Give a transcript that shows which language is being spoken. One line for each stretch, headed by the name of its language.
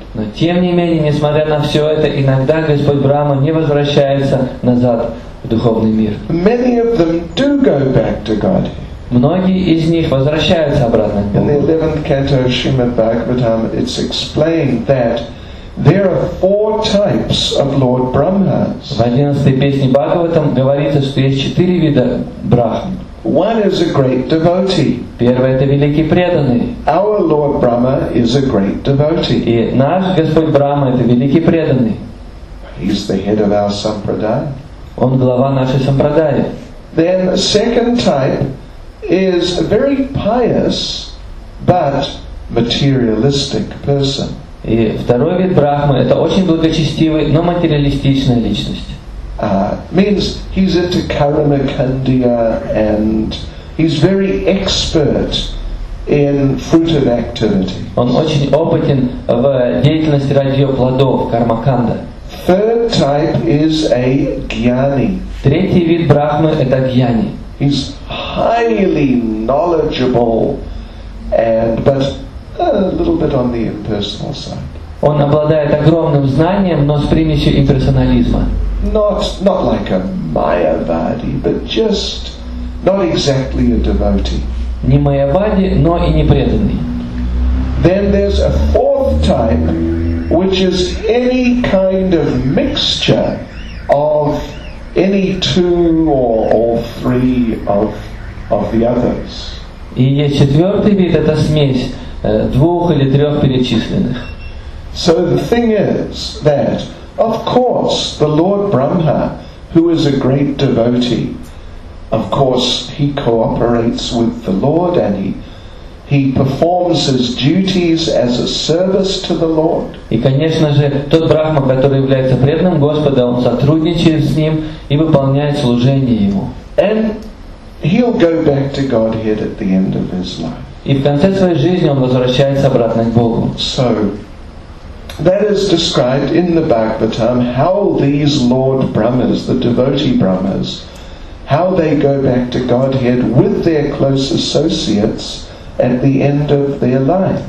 Russian: Но тем не менее, несмотря на все это, иногда Господь Брама не возвращается назад в духовный мир.
English: Many of them do go back to Godhead.
Russian: Многие из них возвращаются обратно к Богу.
English: In the 11th canto of Srimad Bhagavatam, it's explained that there are four types of Lord Brahmas.
Russian: В 11-й песне Бхагаватам говорится, что есть четыре вида Брахм.
English: One is a great devotee.
Russian: Первый — это великий преданный.
English: Our Lord Brahma is a great devotee.
Russian: И наш Господь Брахма — это великий преданный.
English: He's the head of our sampradaya.
Russian: Он глава нашей сампрадаи.
English: Then the second type is a very pious but materialistic person.
Russian: И второй вид Брахмы — это очень благочестивый, но материалистичная личность.
English: Means he's into karma kandiya and he's very expert in fruitive activity.
Russian: Он очень опытен в деятельности ради плодов, карма канда.
English: Third type is a gyani.
Russian: Третий вид Брахмы — это гьяни.
English: He's highly knowledgeable but a little bit on the impersonal side.
Russian: Он обладает огромным знанием, но с примесью имперсонализма.
English: Not like a Mayavadi, but just not exactly a devotee.
Russian: Не Майявади, но и не преданный.
English: Then there's a fourth type, which is any kind of mixture of any two or all three of the others.
Russian: И есть четвертый вид — это смесь двух или трех перечисленных.
English: So the thing is that, of course, the Lord Brahma, who is a great devotee, of course, he cooperates with the Lord and he performs his duties as a service to the Lord.
Russian: И, конечно же, тот Брахма, который является преданным Господа, он сотрудничает с ним и выполняет служение ему.
English: And he'll go back to Godhead at the end of his life.
Russian: И в конце своей жизни он возвращается обратно к Богу.
English: So, that is described in the Bhagavatam how these Lord Brahmas, the devotee Brahmas, how they go back to Godhead with their close associates at the end of their life.